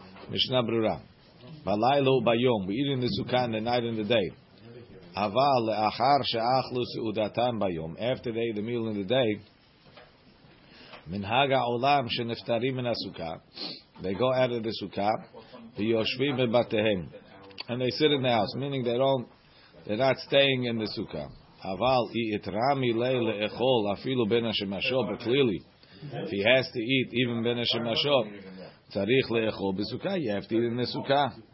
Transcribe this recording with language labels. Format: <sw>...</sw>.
<he>משנה ברורה. בלילה וביום,</he> <en>we eat in the sukkah, in the night and the day.</en> <he>אבל לאחר שאכלו סעודתם ביום,</he> <en>after they ate the meal in the day,</en> <he>מנהג העולם שנפטרים מן הסוכה,</he> <en>they go out of the</en> <he>סוכה, ויושבים בבתיהם.</he> <en>And they sit in the house, meaning they don't, they're not staying in the סוכה.</en> <he>אבל יתרה מלא לאכול אפילו בין השמשו,</he> <en>but clearly, if he has to eat even בין השמשו,</en> <he>צריך לאכול בסוכה,</he> <en>you have to eat in the סוכה.</en>